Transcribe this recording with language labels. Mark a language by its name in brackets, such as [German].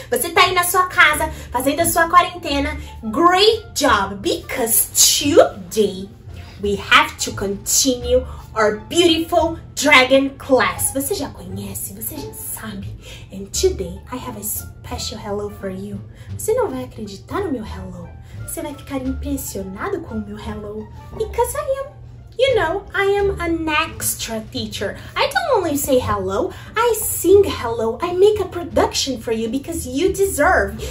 [Portuguese] Você tá aí na sua casa, fazendo a sua quarentena. [English] Great job, because today we have to continue our beautiful dragon class. [Portuguese] Você já conhece, você já sabe. [English] And today I have a special hello for you. [Portuguese] Você não vai acreditar no meu hello. Você vai ficar impressionado com o meu hello. [English] Because I am. You know, I am an extra teacher. I don't only say hello, I sing hello. I make a production for you because you deserve.